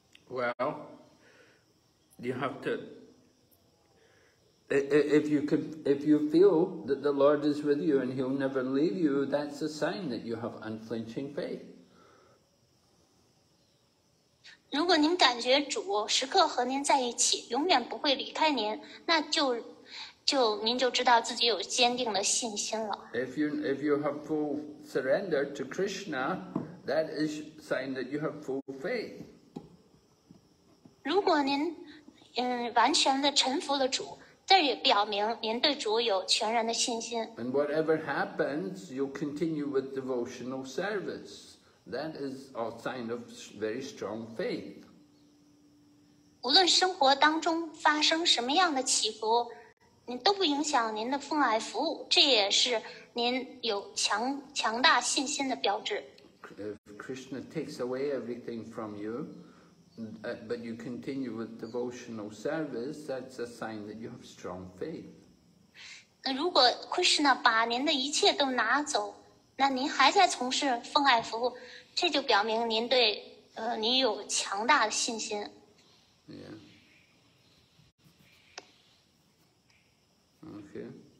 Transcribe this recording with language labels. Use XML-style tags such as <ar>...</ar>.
<en>Well, you have to, if you feel that the Lord is with you and He'll never leave you, that's a sign that you have unflinching faith.</en> <zh>如果您感觉主时刻和您在一起，永远不会离开您，那就您就知道自己有坚定的信心了。</zh> <en>If you have full surrender to Krishna, that is sign that you have full faith.</en> <zh>如果您完全的臣服了主，这也表明您对主有全然的信心。</zh> <en>And whatever happens, you'll continue with devotional service. That is a sign of very strong faith.</en> <zh>无论生活当中发生什么样的起伏，您都不影响您的奉爱服务，这也是您有强大信心的标志。</zh> <en>If Krishna takes away everything from you, but you continue with devotional service, that's a sign that you have strong faith.</en> <zh>如果 Krishna 把您的一切都拿走，那您还在从事奉爱服务，这就表明您对您有强大的信心。</zh> <en>Yeah.</en>